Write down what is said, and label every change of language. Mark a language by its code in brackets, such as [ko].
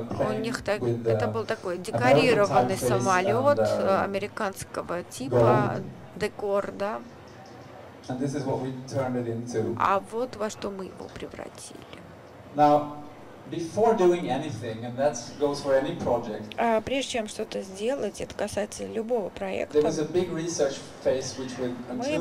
[ru] У них это был такой декорированный самолет американского типа, декор, да? [en] And this is what we turned it into. [ru] А вот во что мы его превратили. [en] Now, before doing anything, and that goes for any project. [ru] Прежде чем что-то сделать, это касается любого проекта. [en] There was a big research phase which we included.